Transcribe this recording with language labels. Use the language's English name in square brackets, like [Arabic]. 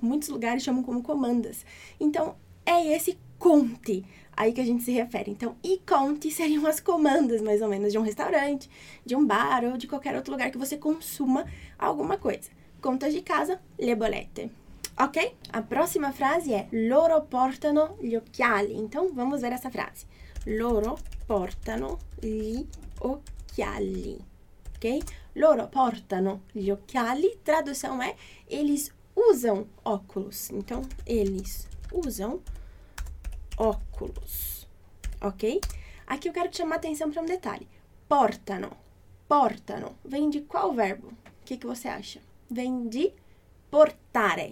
[Portuguese] Muitos lugares chamam como comandas. Então, é esse conte aí que a gente se refere. Então, e conte seriam as comandas, mais ou menos, de um restaurante, de um bar ou de qualquer outro lugar que você consuma alguma coisa. Contas de casa, le bollette. Ok? A próxima frase é [Italian] loro portano gli occhiali. [Portuguese] Então vamos ver essa frase. [Italian] Loro portano gli occhiali. Ok? Loro portano gli occhiali. [Portuguese] Tradução é eles usam óculos. Então eles usam óculos. Ok? Aqui eu quero te chamar a atenção para um detalhe. [Italian] Portano. Portano. [Portuguese] Vem de qual verbo? O que você acha? Vem de portare.